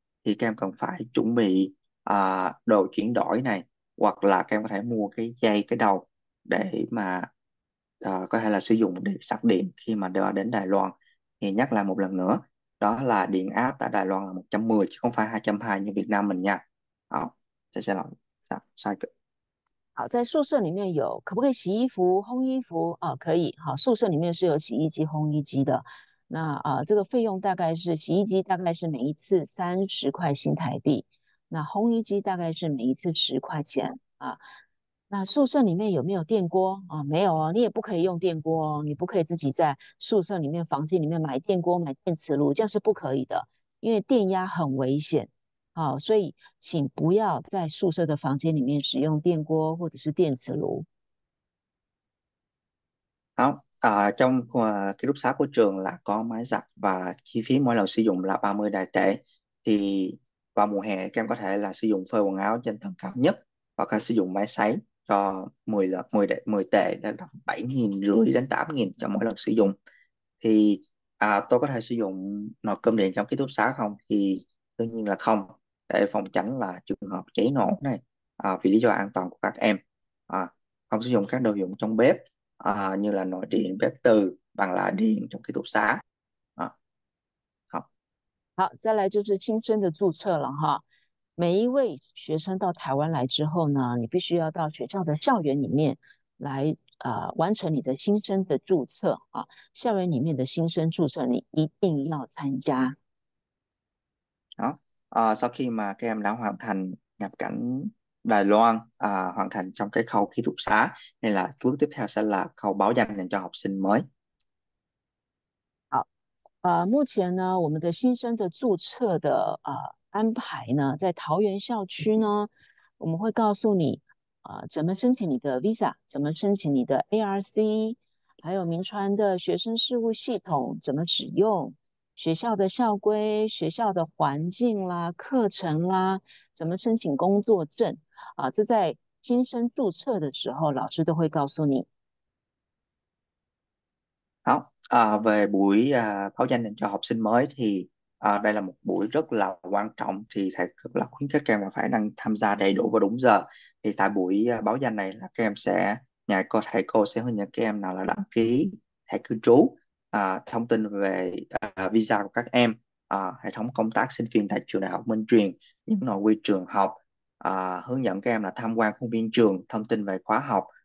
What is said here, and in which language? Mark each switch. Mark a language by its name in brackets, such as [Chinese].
[Vietnamese] Thì các em cần phải chuẩn bị đồ chuyển đổi này, hoặc là các em có thể mua cái dây cái đầu để mà có thể là sử dụng để sạc điện khi mà đưa đến Đài Loan. Thì nhắc lại một lần nữa, đó là điện áp tại Đài Loan là 110 chứ không phải 220 như Việt Nam mình nha. Đó, sẽ làm sai cực. [Chinese] 好，在宿舍里面有，可不可以洗衣服、烘衣服？哦，可以。好，宿舍里面是有洗衣机、烘衣机的。那这个费用大概是洗衣机大概是每一次30块新台币，那烘衣机大概是每一次10块钱啊。那宿舍里面有没有电锅啊？没有哦，你也不可以用电锅哦，你不可以自己在宿舍里面房间里面买电锅、买电磁炉，这样是不可以的，因为电压很危险。好，所以请不要在宿舍的房间里面使用电锅或者是电磁炉。 [Vietnamese] Đó, trong cái lúc xá của trường là có máy giặt và chi phí mỗi lần sử dụng là 30 đại tệ. Thì vào mùa hè các em có thể là sử dụng phơi quần áo trên tầng cao nhất, hoặc là sử dụng máy sấy cho 10 lần 10 tệ, là tầm 7.500 đến 8.000 cho mỗi lần sử dụng. Thì tôi có thể sử dụng nồi cơm điện trong ký túc xá không? Thì tất nhiên là không, để phòng tránh là trường hợp cháy nổ này vì lý do an toàn của các em. Không sử dụng các đồ dùng trong bếp. Như là nồi điện, bếp từ, bằng là điện trong ký túc xá. [Chinese] 好，再来就是新生的注册了哈。每一位学生到台湾来之后呢，你必须要到学校的校园里面来完成你的新生的注册啊。校园里面的新生注册，你一定要参加。 [Vietnamese] Sau khi mà các em đã hoàn thành nhập cảnh Đài Loan, hoàn thành trong cái khâu ký túc xá, nên là bước tiếp theo sẽ là khâu báo danh dành cho học sinh mới. [Chinese] 目前呢，我们的新生的注册的安排呢，在桃园校区呢，我们会告诉你怎么申请你的 Visa，怎么申请你的 ARC，还有明传的学生事务系统怎么使用，学校的校规、学校的环境啦、课程啦，怎么申请工作证这在新生注册的时候，老师都会告诉你。 [Vietnamese] Về buổi báo danh dành cho học sinh mới thì đây là một buổi rất là quan trọng, thì thầy cực là khuyến khích các em là phải đang tham gia đầy đủ và đúng giờ. Thì tại buổi báo danh này là các em sẽ nhà cô thầy cô sẽ hướng dẫn các em nào là đăng ký thẻ cư trú, thông tin về visa của các em, hệ thống công tác sinh viên tại trường đại học Minh Truyền, những nội quy trường học, hướng dẫn các em là tham quan khuôn viên trường, thông tin về khóa học.